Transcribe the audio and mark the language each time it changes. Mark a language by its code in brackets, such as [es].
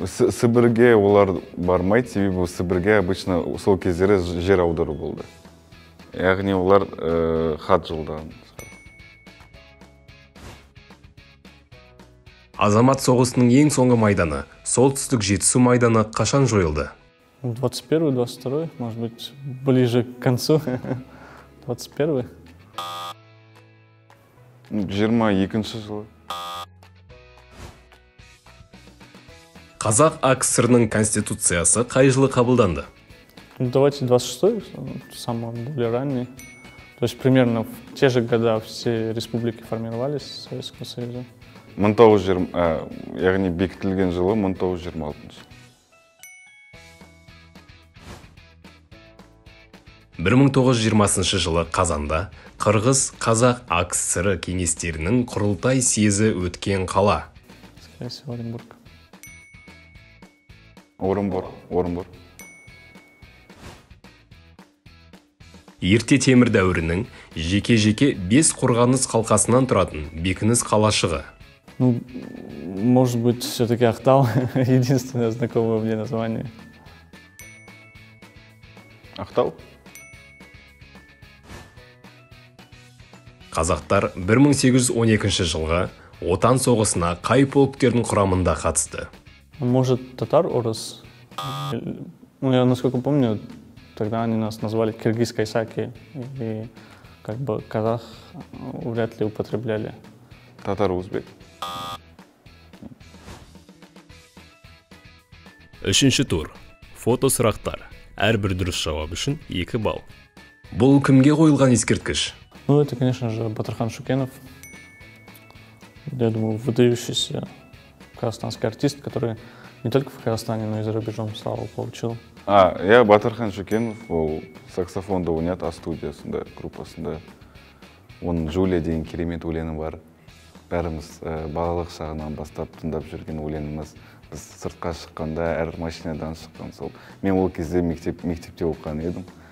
[kk] Сібірге олар бармайды, себебі Сібірге обычно сол кездері жер аудару болды. Яғни олар хат жолдан. Азамат соғысының ең соңғы майданы, солтүстік жетісу майданы қашан жойылды? [ru] 21-22, может быть, ближе к концу. 21-й. [kk] 22-й жылы. Қазақ АКСР-ның конституциясы қай жылы қабылданды? [ru] Давайте 26-й, самый более ранний. То есть примерно в те же годы все республики формировались Советского Союза. [kk] Яғни бекітілген жылы 1926. 1920 жылы Қазанда қырғыз қазақ АКСР кеңестерінің құрылтай съезі өткен қала. [ru] Скорее, Оренбург. Оренбург. [kk] Ерте темір дәуірінің жеке-жеке бес қорғаныс қалқасынан тұратын бекініс қалашығы. [ru] Ну, может быть, все-таки Ақтау. Единственное знакомое мне название. Ақтау? [kk] Қазақтар 1812 жылға отан соғысына қай полктердің құрамында қатысты? [ru] Может, татар, орыс? Ну, я, насколько помню, тогда они нас назвали киргиз кайсаки. И как бы казах вряд ли употребляли. Татар, узбек? [kk] Үшінші тур. Фото сұрақтар. Әрбір дұрыс жауап үшін 2 балл. Бұл кімге қойылған ескерткіш? [ru] Ну, это, конечно же, Батырхан Шукенов. Я думаю, выдающийся казахстанский артист, который не только в Казахстане, но и за рубежом славу получил. [kk] А, я Батырхан Шукенов, ол саксофонда ойнайды, а студиясында, группасында. Он Жулия деген керемет өлені бар. Бәріміз балалық шағынан бастап тыңдап жүрген өленіміз. Біз сыртқа шыққанда, әр машинадан шыққан сол. Мен ол кезде мектепте оқыған едім.